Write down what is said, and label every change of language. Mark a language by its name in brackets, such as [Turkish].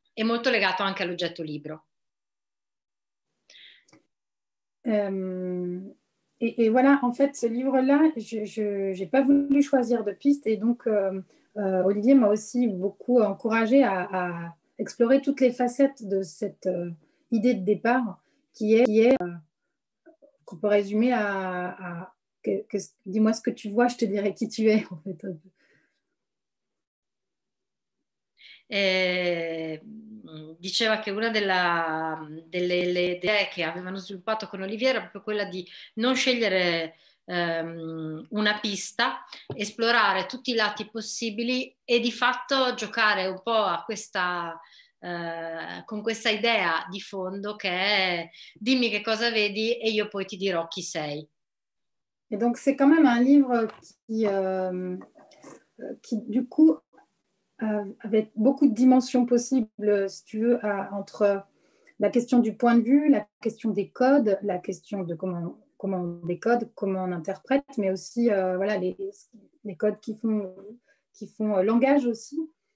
[Italian] È molto legato anche all'oggetto libro. [French] Et voilà, en fait, ce livre-là, je n'ai pas voulu choisir de piste et donc Olivier m'a aussi beaucoup encouragé à explorer toutes les facettes de cette idée de départ qu'on peut résumer à dis-moi ce que tu vois, je te dirai qui tu es, en fait. [Italian] Diceva che una delle idee che avevano sviluppato con Olivier era proprio quella di non scegliere una pista, esplorare tutti i lati possibili e di fatto giocare un po' con questa idea di fondo che è dimmi che cosa vedi e io poi ti dirò chi sei. [French] E donc c'est quand même un livre qui du coup avec beaucoup de dimensions possibles, si tu veux, entre la question du point de vue, la question des codes, la question de comment on décode, comment on interprète, mais aussi les codes qui font langage aussi.